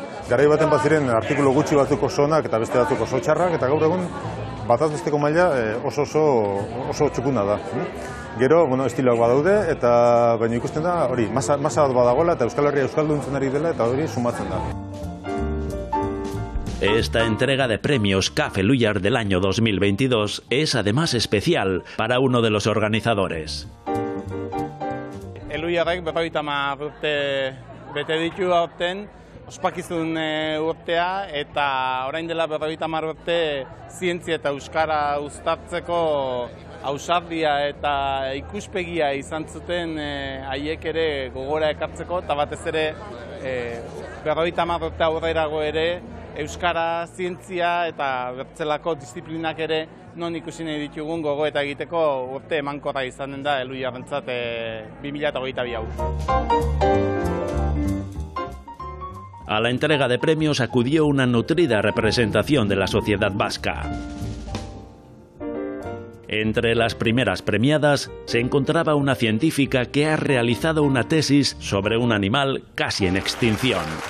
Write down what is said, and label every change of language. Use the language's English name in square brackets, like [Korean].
[Basque] Garai baten baziren artikulu gutxi batzuk oso onak eta beste batzuk oso txarrak eta gaur egun bataz besteko maila oso txukuna da. Gero, bueno, estiloak badaude, eta baina ikusten da, hori, masa bat badagoela, eta Euskal Herria euskalduntzen ari dela, eta hori sumatzen da. [Spanish] Esta entrega de premios CAF El Húyar del año 2022 es además especial para uno de los organizadores. [Basque] El Húyarrek berroita mar urte bete ditu aurten, ospakizun urtea, eta orain dela berroita mar urte zientzia eta euskara uztartzeko ausardia eta ikuspegia izan zuten haiek ere gogora ekartzeko, eta batez ere 50 urte aurrerago ere euskara, zientzia eta bertzelako disiplinak ere non ikusi nahi ditugun gogo eta egiteko urte emankorra izanen da El Húyarrentzat 2022 hau. [Spanish] A la entrega de premios acudió una nutrida representación de la sociedad vasca. Entre las primeras premiadas se encontraba una científica que ha realizado una tesis sobre un animal casi en extinción.